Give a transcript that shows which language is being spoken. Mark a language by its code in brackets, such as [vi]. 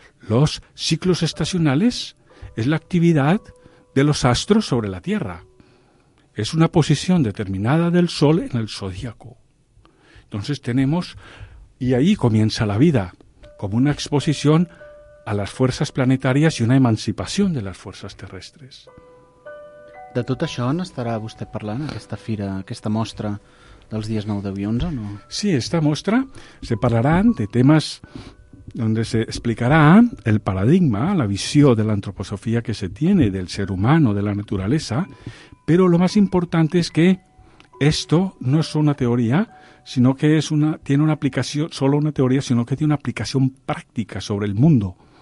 [es] Los ciclos estacionales es la actividad de los astros sobre la Tierra. Es una posición determinada del Sol en el zodíaco. Entonces tenemos, y ahí comienza la vida, como una exposición a las fuerzas planetarias y una emancipación de las fuerzas terrestres. [ca] De tot això n'estarà vostè parlant, aquesta fira, aquesta mostra dels dies 9, 10 i 11, no? [es] Sí, [ca] esta mostra se parlaran de temes [es] donde [ca] se explicarà el paradigma, la visió de l'antroposofia [es] que se tiene del ser humano, de la naturaleza, pero lo más importante es que esto no es una teoría, sino que es una, tiene una aplicación, solo una teoría, sino que tiene una aplicación práctica sobre el mundo.